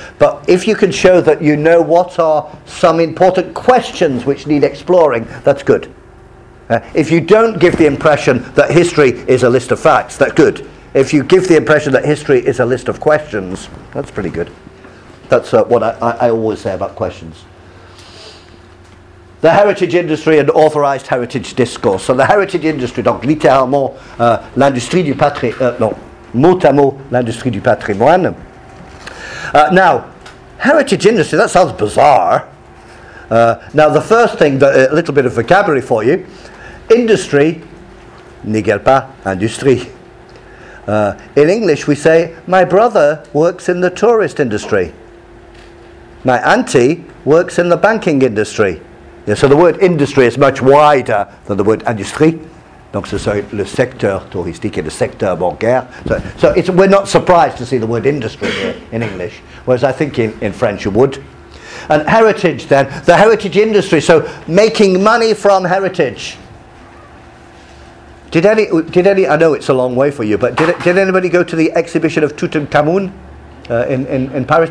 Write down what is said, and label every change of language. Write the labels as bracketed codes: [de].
[en] But if you can show that you know what are some important questions which need exploring, that's good. If you don't give the impression that history is a list of facts, that's good. If you give the impression that history is a list of questions, that's pretty good. That's what I always say about questions. The heritage industry and authorised heritage discourse. So the heritage industry, [fr] donc littéralement, l'industrie du patrimoine, non, mot à mot, l'industrie du patrimoine. [en] Now, heritage industry, that sounds bizarre. Now, the first thing, a little bit of vocabulary for you. [fr] Industry n'égale pas industrie. [en] In English we say, my brother works in the tourist industry. My auntie works in the banking industry. Yeah, so the word industry is much wider than the word industrie. [fr] Donc ce serait le secteur touristique et le secteur bancaire. [en] So it's, we're not surprised to see the word industry here in English. Whereas I think in French you would. And heritage then, the heritage industry, so making money from heritage. Did any? I know it's a long way for you, but did anybody go to the exhibition of Tutankhamun in Paris?